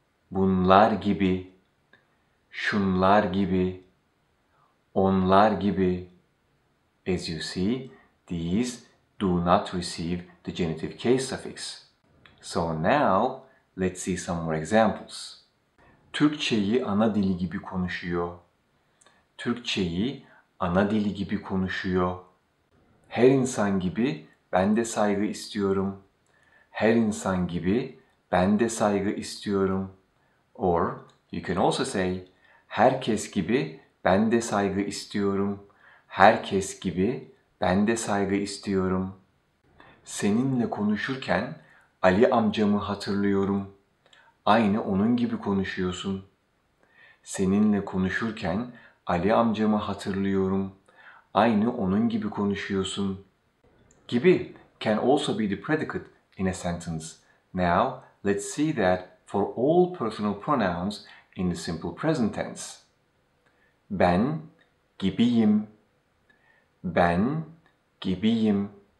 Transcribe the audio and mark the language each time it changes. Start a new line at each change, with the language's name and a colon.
Turkish: Bunlar gibi, şunlar gibi, onlar gibi.
English: As you see, these do not receive the genitive case suffix. So now, let's see some more examples.
Turkish: Türkçeyi ana dili gibi konuşuyor. Türkçeyi ana dili gibi konuşuyor. Her insan gibi ben de saygı istiyorum. Her insan gibi ben de saygı istiyorum.
English: Or you can also say,
Turkish: herkes gibi ben de saygı istiyorum. Herkes gibi ben de saygı istiyorum. Seninle konuşurken Ali amcamı hatırlıyorum. Aynı onun gibi konuşuyorsun. Seninle konuşurken Ali amcamı hatırlıyorum. Aynı onun gibi konuşuyorsun.
English: Gibi can also be the predicate in a sentence. Now, let's see that for all personal pronouns in the simple present tense.
Turkish: Ben gibiyim. Ben gibiyim.